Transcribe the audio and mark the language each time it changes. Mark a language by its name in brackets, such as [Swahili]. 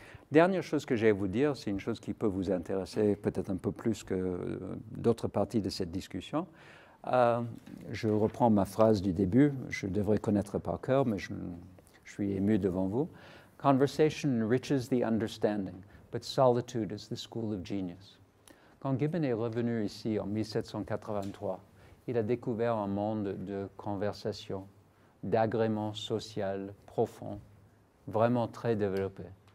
[French] Dernière chose que j'ai à vous dire, c'est une chose qui peut vous intéresser peut-être un peu plus que d'autres parties de cette discussion. Je reprends ma phrase du début, je devrais connaître par cœur, mais je, je suis ému devant vous. [English] Conversation enriches the understanding, but solitude is the school of genius. [French] Quand Gibbon est revenu ici en 1783, il a découvert un monde de conversation, d'agrément social profond, vraiment très développé.